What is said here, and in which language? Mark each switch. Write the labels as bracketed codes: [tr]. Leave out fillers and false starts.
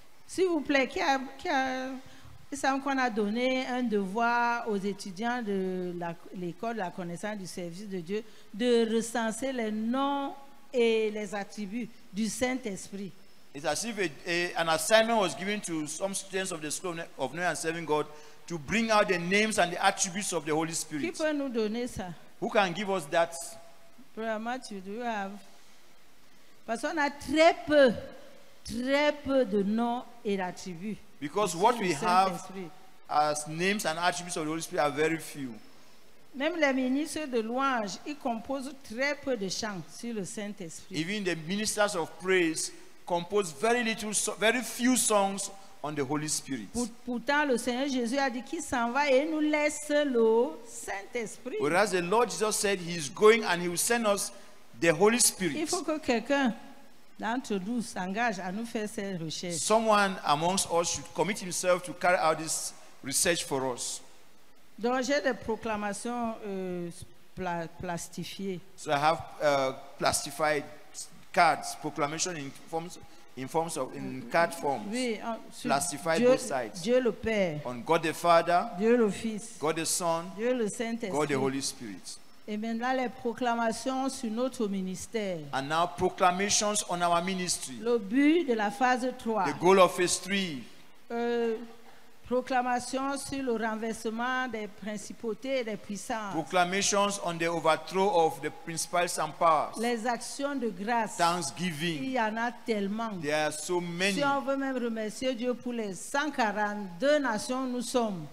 [fr] S'il vous plaît, qui a Il semble qu'on a donné un devoir aux étudiants de l'école de la connaissance du service de Dieu de recenser les noms et les attributs du Saint-Esprit. [en] It's as if an assignment was given to some students of the school of knowing and serving God to bring out the names and the attributes of the Holy Spirit. [fr] Qui peut nous donner ça? [en] Who can give us that? Brother Matthew, do you have? [fr] Parce qu'on a très peu de noms et d'attributs. [en] Because what we have as names and attributes of the Holy Spirit are very few. [fr] Même les ministres de louange, ils composent très peu de chants sur le Saint-Esprit. [en] Even the ministers of praise compose very few songs on the Holy Spirit. [fr] Pourtant, le Seigneur Jésus a dit qu'il s'en va et nous laisse le Saint-Esprit. [en] Whereas the Lord Jesus said he is going and he will send us the Holy Spirit. [fr] Il faut que quelqu'un d'entre nous s'engage à nous faire ces recherches. [en] Someone amongst us should commit himself to carry out this research for us. [fr] Donc j'ai des proclamations plastifiées. [en] So I have plastified cards, proclamation in card form. [fr] Oui, [en] plastified both sides. [fr] Dieu le Père. [en] On God the Father. [fr] Dieu le Fils. [en] God the Son. [fr] Dieu le Saint-Esprit. [en] God the Holy Spirit. [fr] Et maintenant les proclamations sur notre ministère. [en] And now proclamations on our ministry. [fr] Le but de la phase 3. [en] The goal of phase 3. [fr] Proclamation sur le renversement des principautés et des puissances. [en] Proclamations on the overthrow of the principalities and powers. [fr] Les actions de grâce. [en] Thanksgiving. [fr] Il y en a tellement. [en] There are so many. [fr] Si on veut même remercier Dieu pour les 142 nations nous sommes.